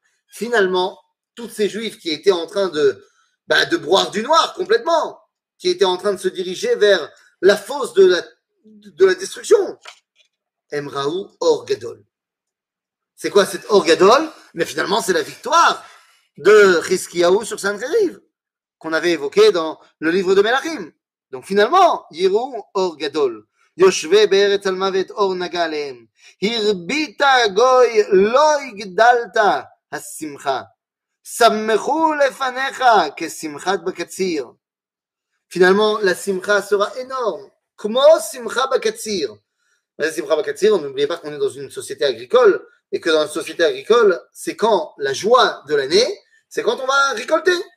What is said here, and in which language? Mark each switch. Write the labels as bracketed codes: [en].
[fr] Finalement, tous ces juifs qui étaient en train de broire du noir complètement, qui étaient en train de se diriger vers la fosse de la destruction, [he] Emraou Or Gadol. [fr] C'est quoi cet Or Gadol? Mais finalement, c'est la victoire de Chizkiyahou sur Sanhérib, qu'on avait évoqué dans le livre de Melachim. Donc finalement, [he] Yirou Or Gadol. יושבי בארץ על מוות אור נגע להם. הרבית גוי לא הגדלת השמחה. שמחו לפניך כשמחת בקציר. [fr] Finalement, la simcha sera énorme, [he] כמו שמחה בקציר. מה זה שמחה בקציר? [fr] On n'oublie pas qu'on est dans une société agricole, et que dans une société agricole, c'est quand la joie de l'année, c'est quand on va récolter.